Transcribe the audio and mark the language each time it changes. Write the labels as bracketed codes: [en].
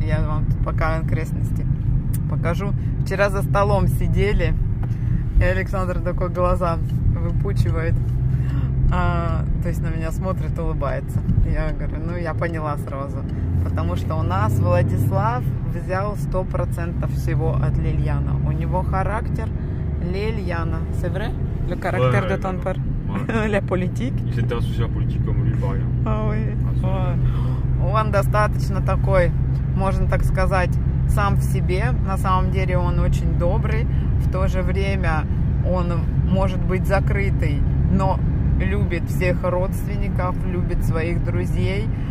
[ru] Я вам тут пока окрестности покажу. Вчера за столом сидели, и Александр такой глаза выпучивает. То есть на меня смотрит, улыбается. Я говорю, ну я поняла сразу. Потому что у нас Владислав взял 100% всего от Лильяна. У него характер Лильяна. [fr] C'est vrai? Le caractère de ton père? Ouais. La politique? Il s'intéresse aussi à la politique comme lui, par exemple. Ah oui. [ru] Он достаточно такой, можно так сказать, сам в себе. На самом деле он очень добрый. В то же время он может быть закрытый, но любит всех родственников, любит своих друзей.